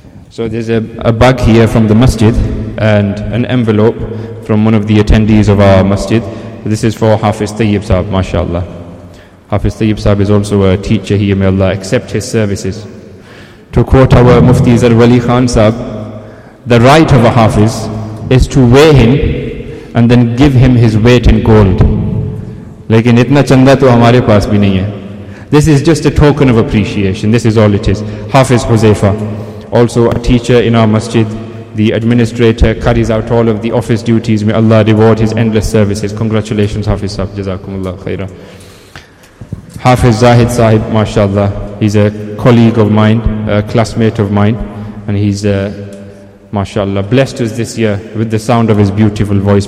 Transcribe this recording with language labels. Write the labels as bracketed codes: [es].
[en] So there's a bag here from the masjid and an envelope from one of the attendees of our masjid. This is for Hafiz Tayyib Sahib, mashallah. Hafiz Tayyib Sahib is also a teacher here, may Allah accept his services. To quote our Mufti Zarif Ali Khan Sahib, the right of a Hafiz is to weigh him and then give him his weight in gold. [ur] لیکن اتنا چندہ تو ہمارے پاس بھی نہیں ہے۔ [en] This is just a token of appreciation. This is all it is. Hafiz Huzaifa, also a teacher in our masjid, the administrator, carries out all of the office duties. May Allah reward his endless services. Congratulations, Hafiz Sahib. Jazakumullah khairan. Hafiz Zahid Sahib, mashallah, he's a colleague of mine, a classmate of mine, and he's, mashallah, blessed us this year with the sound of his beautiful voice.